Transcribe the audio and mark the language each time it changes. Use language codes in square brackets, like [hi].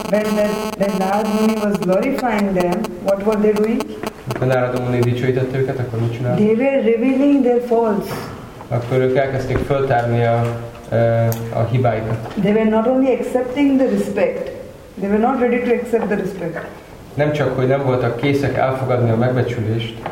[en] When the Narada Muni was glorifying them, what were they doing? [hu] Amikor Narada Muni dicsőítette őket, akkor mit csináltak? [en] They were revealing their faults. [hu] Akkor ők elkezdték föltárni a hibáikat. [en] They were not only accepting the respect, they were not ready to accept the respect. [hu] Nem csak, hogy nem voltak készek elfogadni a megbecsülést.